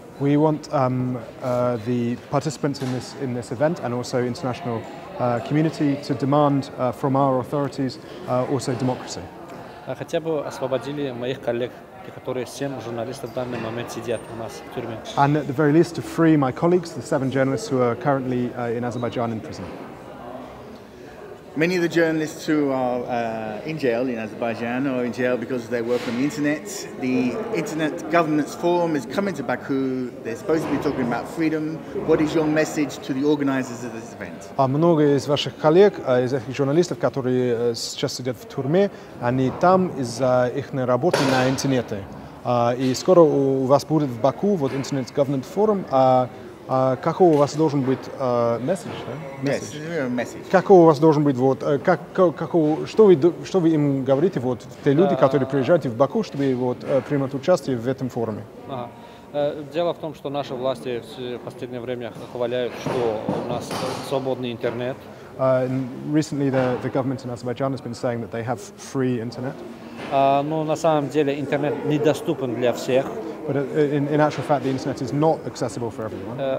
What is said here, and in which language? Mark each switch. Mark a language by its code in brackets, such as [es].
[en] We want the participants in this event and also international community to demand from our authorities also democracy. [ru] Хотя бы освободили моих коллег, которые 7 журналистов в данный момент сидят у нас в тюрьме. [en] And at the very least to free my colleagues, the 7 journalists who are currently in Azerbaijan in prison. Many of the journalists who are in jail in Azerbaijan are in jail because of their work on the internet. The Internet Governance Forum is coming to Baku. They're supposed to be talking about freedom. What is your message to the organizers of this event? [ru] Многие из ваших коллег, из этих журналистов, которые сейчас сидят в тюрьме, они там из-за их работы на интернете. И скоро у вас будет в Баку вот Internet Governance Forum. Какого у вас должен быть message, да? [en] Message. [ru] Какого у вас должен быть вот что вы им говорите вот те люди, которые приезжают в Баку, чтобы вот принимать участие в этом форуме? Дело в том, что наши власти в последнее время хваляют, что у нас свободный интернет. [en] Recently, the government in Azerbaijan has been saying that they have free internet. [ru] Но на самом деле интернет недоступен для всех. [en] But in actual fact, the internet is not accessible for everyone.